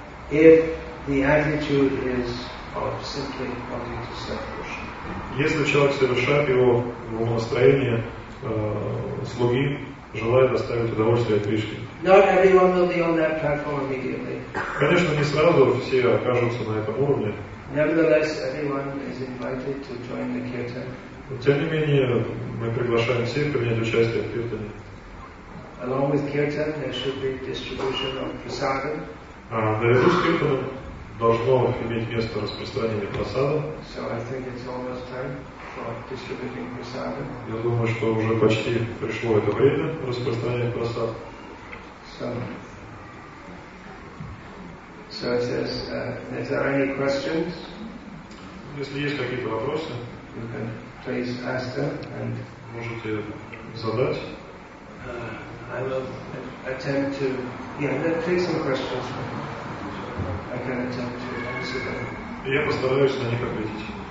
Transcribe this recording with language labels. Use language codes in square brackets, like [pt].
[en] If the attitude is of simply wanting to serve Krishna. [ru] Если человек совершает его в настроении слуги, желая доставить удовольствие Кришне. [en] Not everyone will be on that platform immediately. [ru] Конечно, не сразу все окажутся на этом уровне. [en] Nevertheless, everyone is invited to join the kirtan. [ru] Тем не менее, мы приглашаем всех принять участие в киртане. [en] Along with kirtan, there should be distribution of prasada. [ru] Наряду с киртаном должно иметь место распространение прасада. [en] So I think it's almost time for distributing prasada. [ru] Я думаю, что уже почти пришло это время распространения прасада. [en] So it says, if there are any questions, [ru] если есть какие-то вопросы, [en] you can please ask them and [ru] можете задать. [en] I will attempt to, yeah, take some questions. I can attempt to answer them. [ru] Я постараюсь на них ответить.